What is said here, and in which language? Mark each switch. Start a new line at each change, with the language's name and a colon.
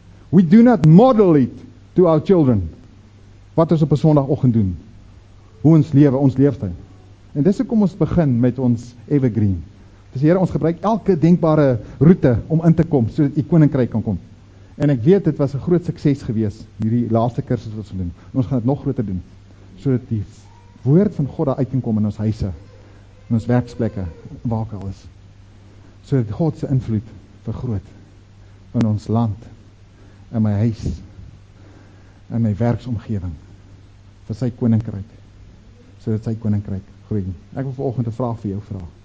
English: We do not model it to our children.
Afrikaans: Wat ons op 'n sonoggend doen, hoe ons lewe, ons leefstyl. En dis hoekom ons begin met ons evergreen. Dis Here, ons gebruik elke denkbare roete om in te kom, sodat U koninkryk kan kom. En ek weet, dit was 'n groot sukses gewees, hierdie laaste kursus wat ons doen. En ons gaan dit nog groter doen, sodat die woord van God daar uit kan kom in ons huise, in ons werksplekke, waar ek al is. Sodat God se invloed vergroot in ons land, in my huis, in my werksomgeving, vir sy koninkryk, so dat sy koninkryk groei. Ek wil vanoggend 'n vraag vir jou vra.